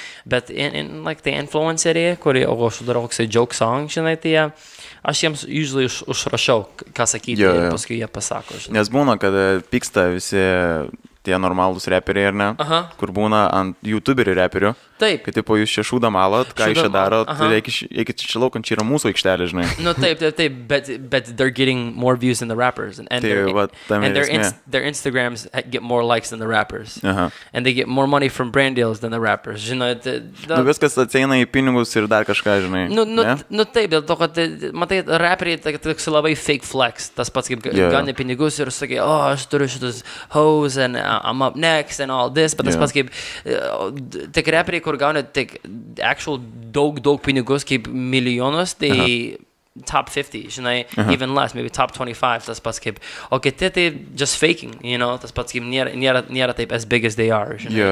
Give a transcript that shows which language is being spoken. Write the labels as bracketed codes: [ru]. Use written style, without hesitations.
[lt] Bet like, tai influenceriai, kurie, o aš darau koksai joke song, žinai, tai jie aš jiems usually užrašau, ką sakyti, ir paskui jie pasako. Žinai. Nes būna, kad pyksta visi tie normalūs reperiai, ar ne? Aha. Kur būna ant youtuberių reperių. Taip. Kai tipo, jūs čia šūdą malot, ką jūs čia darot, eikit čia laukant, čia yra mūsų aikštelė, žinai. [en] Nu taip, but they're getting more views than the rappers. And their Instagrams get more likes than the rappers. Aha. And they get more money from brand deals than the rappers, žinai. [lt] Nu viskas ateina į pinigus ir dar kažką, žinai. Nu taip, dėl to, kad matai, reperiai toks labai [en] fake flex, [lt] tas pats kaip gani pinigus ir sakė, o, aš turiu šitus [en] hoes and I'm up next and all this, [lt] bet tas pats kaip tik reperiai, kur gauna tik actual daug pinigus, kaip milijonus, tai top 50, žinai, [en] even less, maybe top 25, [lt] tas pats kaip, o kiti tai [en] just faking, you know, [lt] tas pats kaip nėra taip [en] as big as they are, [lt] žinai.